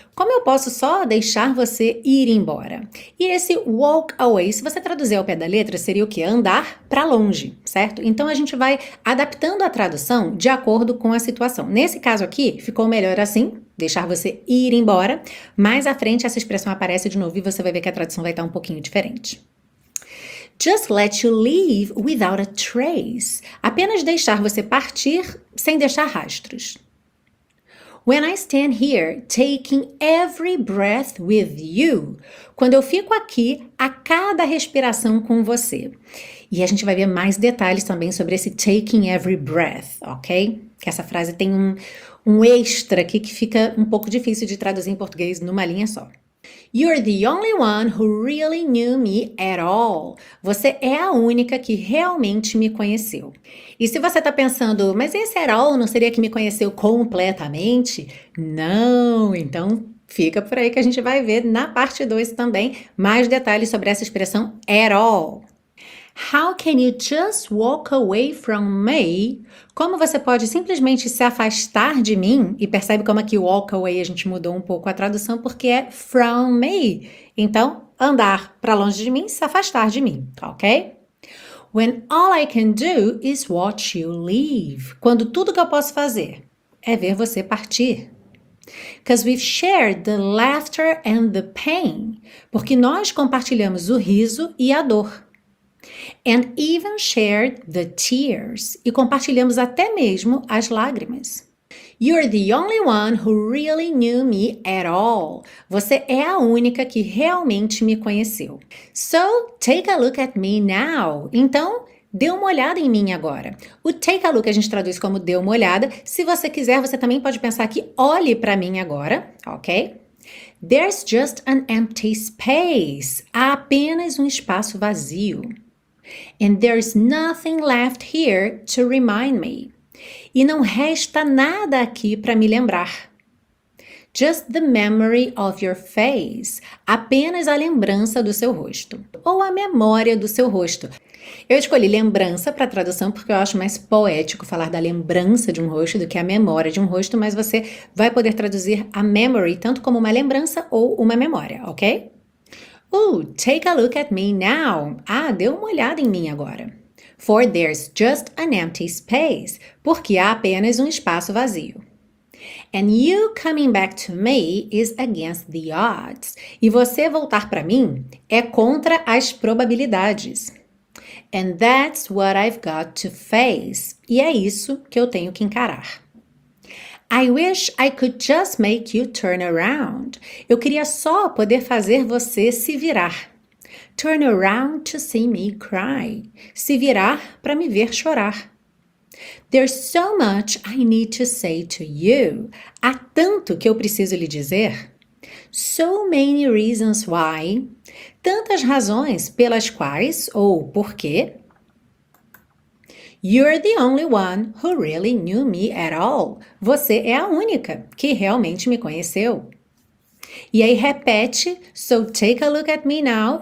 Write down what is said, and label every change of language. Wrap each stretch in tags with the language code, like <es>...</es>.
<pt>Como eu posso só deixar você ir embora? E esse walk away, se você traduzir ao pé da letra, seria o quê? Andar para longe, certo? Então a gente vai adaptando a tradução de acordo com a situação. Nesse caso aqui, ficou melhor assim, deixar você ir embora. Mais à frente, essa expressão aparece de novo e você vai ver que a tradução vai estar um pouquinho diferente.</pt> <en>Just let you leave without a trace.</en> <pt>Apenas deixar você partir sem deixar rastros.</pt> <en>When I stand here taking every breath with you,</en> <pt>quando eu fico aqui a cada respiração com você. E a gente vai ver mais detalhes também sobre esse taking every breath, ok? Que essa frase tem um extra aqui que fica um pouco difícil de traduzir em português numa linha só.</pt> <en>You're the only one who really knew me at all.</en> <pt>Você é a única que realmente me conheceu. E se você está pensando, mas esse at all não seria que me conheceu completamente? Não, então fica por aí que a gente vai ver na parte 2 também mais detalhes sobre essa expressão at all.</pt> <en>How can you just walk away from me?</en> <pt>Como você pode simplesmente se afastar de mim? E percebe como aqui walk away a gente mudou um pouco a tradução, porque é from me. Então, andar para longe de mim, se afastar de mim, ok?</pt> <en>When all I can do is watch you leave.</en> <pt>Quando tudo que eu posso fazer é ver você partir.</pt> <en>Because we've shared the laughter and the pain.</en> <pt>Porque nós compartilhamos o riso e a dor.</pt> <en>And even shared the tears.</en> <pt>E compartilhamos até mesmo as lágrimas.</pt> <en>You're the only one who really knew me at all.</en> <pt>Você é a única que realmente me conheceu.</pt> <en>So, take a look at me now.</en> <pt>Então, dê uma olhada em mim agora. O take a look a gente traduz como dê uma olhada. Se você quiser, você também pode pensar que olhe para mim agora, ok?</pt> <en>There's just an empty space.</en> <pt>Há apenas um espaço vazio.</pt> <en>And there's nothing left here to remind me.</en> <pt>E não resta nada aqui para me lembrar.</pt> <en>Just the memory of your face.</en> <pt>Apenas a lembrança do seu rosto. Ou a memória do seu rosto. Eu escolhi lembrança para tradução porque eu acho mais poético falar da lembrança de um rosto do que a memória de um rosto, mas você vai poder traduzir a memory tanto como uma lembrança ou uma memória, ok?</pt> <en>Take a look at me now.</en> <pt>Ah, dê uma olhada em mim agora.</pt> <en>For there's just an empty space.</en> <pt>Porque há apenas um espaço vazio.</pt> <en>And you coming back to me is against the odds.</en> <pt>E você voltar para mim é contra as probabilidades.</pt> <en>And that's what I've got to face.</en> <pt>E é isso que eu tenho que encarar.</pt> <en>I wish I could just make you turn around.</en> <pt>Eu queria só poder fazer você se virar.</pt> <en>Turn around to see me cry.</en> <pt>Se virar para me ver chorar.</pt> <en>There's so much I need to say to you.</en> <pt>Há tanto que eu preciso lhe dizer.</pt> <en>So many reasons why.</en> <pt>Tantas razões pelas quais ou por quê.</pt> <en>You're the only one who really knew me at all.</en> <pt>Você é a única que realmente me conheceu. E aí repete,</pt> <en>so take a look at me now.</en>